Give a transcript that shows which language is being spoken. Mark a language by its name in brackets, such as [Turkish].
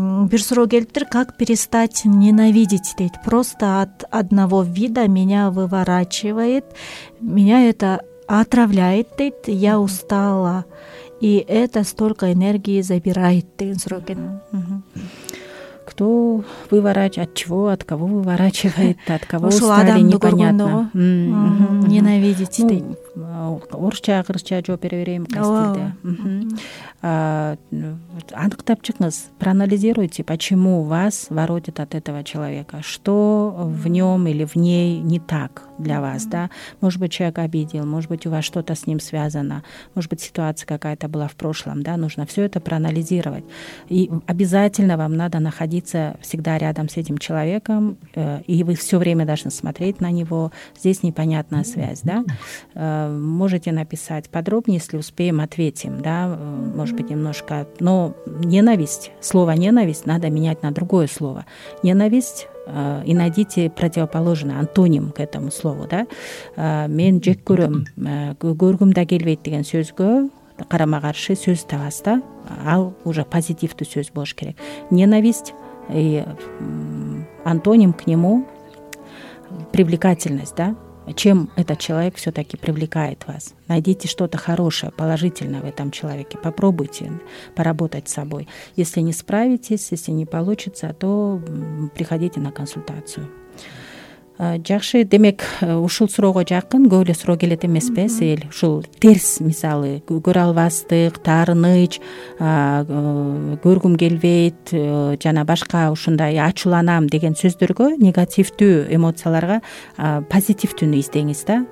[Kyrgyz] Бир суроо келиптир: [Russian] как перестать ненавидеть, дейт. Просто от одного вида меня выворачивает, меня это отравляет, дейт. Я устала, и это столько энергии забирает, [Kyrgyz] деген суроо экен. [Russian] Кто выворачивает, от чего, от кого выворачивает, от кого устали, непонятно. Ненавидите ты. [Kyrgyz] Орусча, кыргызча жооп бере берейин кастилде. Аныктап чыгыңыз, [Russian] проанализируйте, почему вас воротит от этого человека, что в нем или в ней не так для вас, да? Может быть, человек обидел, может быть, у вас что-то с ним связано, может быть, ситуация какая-то была в прошлом, да? Нужно все это проанализировать. И обязательно вам надо находиться всегда рядом с этим человеком, и вы все время должны смотреть на него. Здесь непонятная связь, да? Можете написать подробнее, если успеем, ответим, да, может быть, немножко. Но ненависть, слово ненависть надо менять на другое слово. Ненависть, и найдите противоположное, антоним к этому слову, да. [Kyrgyz] Мен жек көрөм, көргүм да келбейт деген сөзгө карама-каршы сөз табасыз да, ал уже позитивдүү сөз болуш керек. [Russian] Ненависть и антоним к нему привлекательность, да. Чем этот человек все-таки привлекает вас? Найдите что-то хорошее, положительное в этом человеке. Попробуйте поработать с собой. Если не справитесь, если не получится, то приходите на консультацию. [Kyrgyz] Жакшы, демек, ушул суроого жакын, көп эле суроо келет эмеспи? Сел ушул терс мисалы, көрө албастык, таарыныч, көргүм келбейт, жана башка ушундай ачууланам деген сөздөргө, негативдүү эмоцияларга позитивдүүнү издеңиз да.